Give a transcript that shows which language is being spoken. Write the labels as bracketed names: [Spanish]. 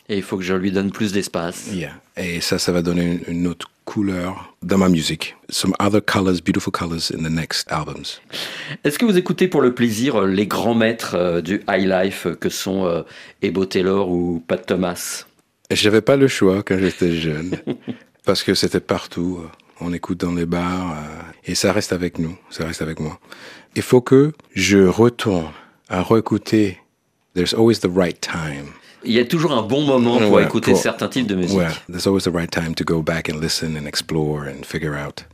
[French] Et il faut que je lui donne plus d'espace. [English] Yeah. [French] Et ça va donner une autre couleur dans ma musique. [English] Some other colors, beautiful colors in the next albums. [French] Est-ce que vous écoutez pour le plaisir les grands maîtres du high life que sont Ebo Taylor ou Pat Thomas? J'avais pas le choix quand j'étais jeune. Parce que c'était partout. On écoute dans les bars. Et ça reste avec nous. Ça reste avec moi. Il faut que je retourne à réécouter. [English] There's always the right time. [French] Il y a toujours un bon moment pour écouter certains types de musique. [English] Yeah, there's always the right time to go back and listen and explore and figure out.